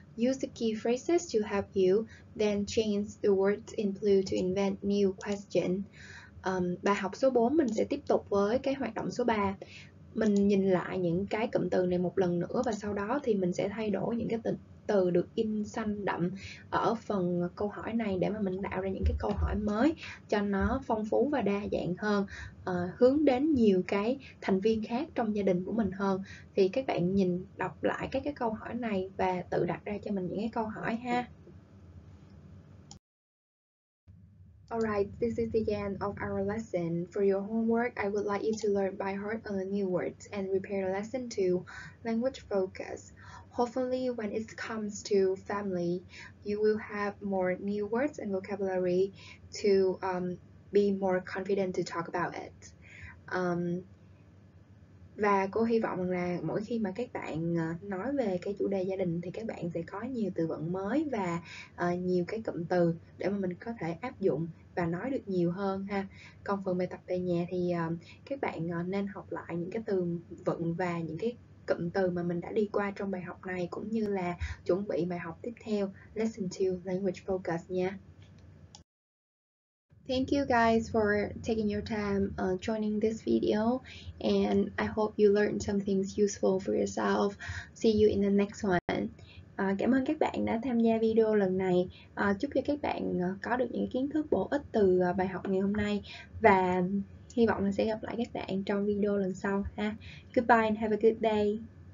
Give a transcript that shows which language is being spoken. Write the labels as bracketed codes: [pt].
[en] Use the key phrases to help you, then change the words in blue to invent new questions. [vi] Bài học số 4 mình sẽ tiếp tục với cái hoạt động số 3. Mình nhìn lại những cái cụm từ này một lần nữa và sau đó thì mình sẽ thay đổi những cái từ được in xanh đậm ở phần câu hỏi này để mà mình tạo ra những cái câu hỏi mới cho nó phong phú và đa dạng hơn, hướng đến nhiều cái thành viên khác trong gia đình của mình hơn. Thì các bạn nhìn đọc lại các cái câu hỏi này và tự đặt ra cho mình những cái câu hỏi ha. [en] Alright, this is the end of our lesson. For your homework, I would like you to learn by heart on the new words and repair lesson 2, language focus. Hopefully, when it comes to family, you will have more new words and vocabulary to be more confident to talk about it. [vi] Và cô hy vọng là mỗi khi mà các bạn nói về cái chủ đề gia đình thì các bạn sẽ có nhiều từ vựng mới và nhiều cái cụm từ để mà mình có thể áp dụng và nói được nhiều hơn ha. Còn phần bài tập về nhà thì các bạn nên học lại những cái từ vựng và những cái cụm từ mà mình đã đi qua trong bài học này, cũng như là chuẩn bị bài học tiếp theo, Lesson 2, Language Focus nha. [en] Thank you guys for taking your time joining this video, and I hope you learned some things useful for yourself. See you in the next one. [vi] Cảm ơn các bạn đã tham gia video lần này. Chúc cho các bạn có được những kiến thức bổ ích từ bài học ngày hôm nay, và hy vọng là sẽ gặp lại các bạn trong video lần sau ha. [en] Goodbye and have a good day.